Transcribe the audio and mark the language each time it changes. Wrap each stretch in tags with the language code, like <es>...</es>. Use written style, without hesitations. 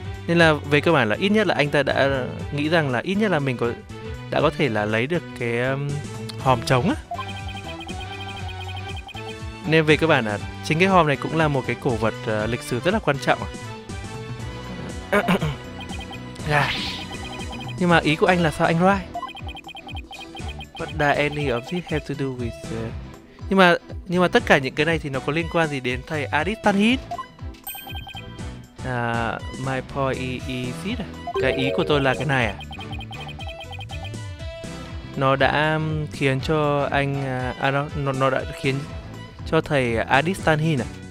<vi>Nên là về cơ bản là ít nhất là anh ta đã nghĩ rằng là ít nhất là mình có thể là lấy được cái hòm trống á. Nên về cơ bản là chính cái hòm này cũng là một cái cổ vật lịch sử rất là quan trọng. Gà. Nhưng mà ý của anh là sao anh Roy?</vi> <en>What does any of this have to do with the...</en> <vi>Nhưng mà tất cả những cái này thì nó có liên quan gì đến thầy Adit Tanhit?</vi> <en>My point is it?</en> <vi>Cái ý của tôi là cái này à? Nó đã khiến cho anh... nó đã khiến cho thầy Adit Tanhit à?</vi>